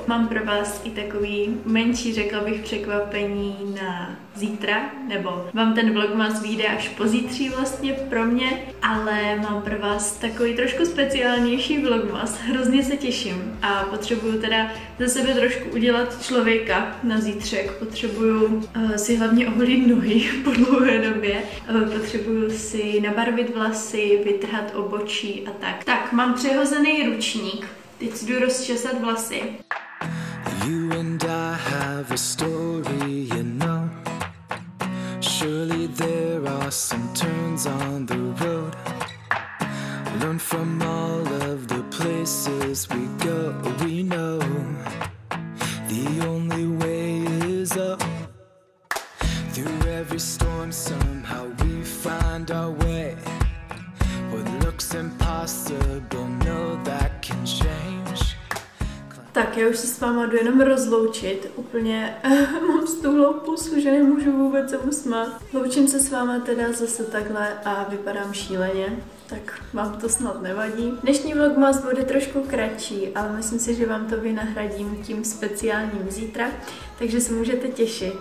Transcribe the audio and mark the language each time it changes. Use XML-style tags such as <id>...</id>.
<cs>Mám pro vás i takový menší, řekla bych, překvapení na zítra, nebo vám ten vlogmas vyjde až pozítří vlastně pro mě, ale mám pro vás takový trošku speciálnější vlogmas, hrozně se těším a potřebuju teda ze sebe trošku udělat člověka na zítřek, potřebuju si hlavně oholit nohy po dlouhé době, potřebuju si nabarvit vlasy, vytrhat obočí a tak. Tak, mám přehozený ručník, teď jdu rozčesat vlasy.</cs> <en>You and I have a story, you know. Surely there are some turns on the road. Learn from all of the places we go. We know the only way is up. Through every storm somehow we find our way. What looks impossible, no, that can change.</en> <cs>Tak, já už se s váma jdu jenom rozloučit, úplně mám stuhlou pusu, že nemůžu vůbec se usmát. Loučím se s váma teda zase takhle a vypadám šíleně, tak vám to snad nevadí. Dnešní vlogmas bude trošku kratší, ale myslím si, že vám to vynahradím tím speciálním zítra, takže se můžete těšit.</cs>